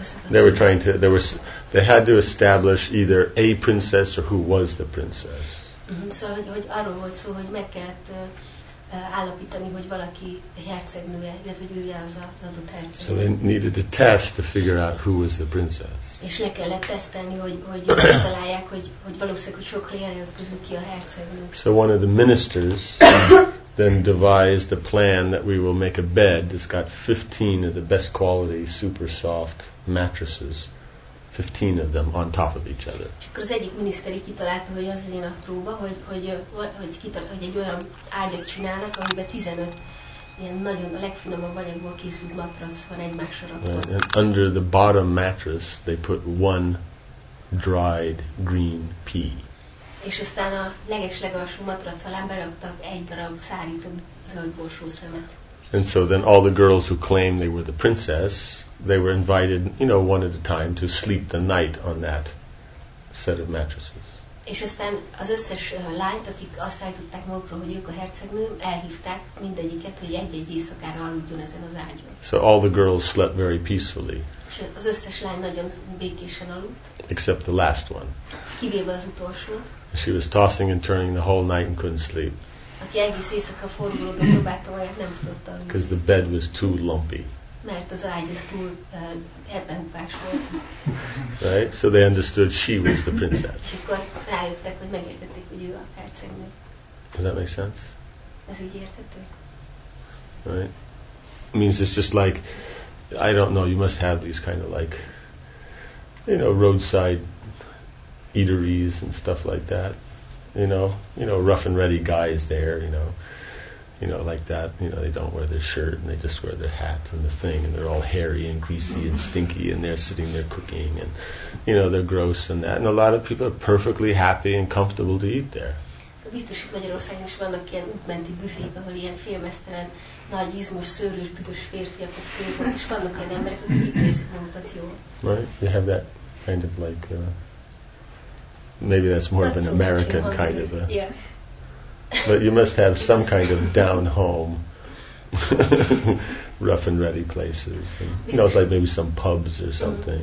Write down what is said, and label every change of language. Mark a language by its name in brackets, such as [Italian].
[English] They had to establish either a princess or who was the princess. [Hungarian] Szóval, hogy arról volt szó, hogy meg kellett állapítani, hogy valaki hercegnője, illetve hogy ője az adott hercegnő. [English] So they needed to test to figure out who was the princess. [Hungarian] És le kellett tesztelni, hogy megtalálják, hogy valószínűleg, hogy sokkal jelentkezik ki a hercegnő. [English] So one of the ministers then devised a plan that we will make a bed that's got 15 of the best quality super soft mattresses. 15 of them on top of each other. [Hungarian] Akkor az egyik miniszteri kitalálta, hogy az legyen a próba, hogy egy olyan ágyat csinálnak, amiben 15 ilyen nagyon a legfinomabb anyagból készült matrac van egymásra rakva. [English] Under the bottom mattress they put one dried green pea. [Hungarian] És aztán a legeslegalsó matrac alá beraktak egy darab szárított zöld borsószemet. [English] And so then all the girls who claimed they were the princess, they were invited, you know, one at a time to sleep the night on that set of mattresses. [Hungarian] És aztán az összes lányt, akik azt állították magukról, hogy ők a hercegnő, elhívták mindegyiket, hogy egy-egy éjszakára aludjon ezen az ágyon. [English] So all the girls slept very peacefully. [Hungarian] És az összes lány nagyon békésen aludt. [English] Except the last one. [Hungarian] Kivéve az utolsót. [English] She was tossing and turning the whole night and couldn't sleep. [Hungarian] Aki egész éjszaka forgulódott, dobálta olyat, nem tudott aludni. [English] Because the bed was too lumpy. [Hungarian] Mert az ágy az túl hebbenfás volt. [English] Right, so they understood she was the princess. [Hungarian] És akkor rájöttek, hogy megértették, hogy ő a hercegnő. [English] Does that make sense? [Hungarian] Ez így érthető? [English] Right. It means it's just like, I don't know, you must have these kind of like, you know, roadside eateries and stuff like that. You know, rough and ready guys there, you know, like that. You know, they don't wear their shirt and they just wear their hat and the thing, and they're all hairy and greasy and stinky, and they're sitting there cooking, and, you know, they're gross and that. And a lot of people are perfectly happy and comfortable to eat there. [Hungarian] Biztos, hogy Magyarországon is vannak ilyen útmenti büfék, ahol ilyen félmeztelen, nagy, izmos, szőrös, büdös férfiakat főznek, és vannak ilyen emberek, akik itt érzik magukat jól. [English] Right, you have that kind of like, maybe that's more not of an so American kind of a... Yeah. But you must have some kind of down-home, rough and ready places. And, you know, it's like maybe some pubs or something.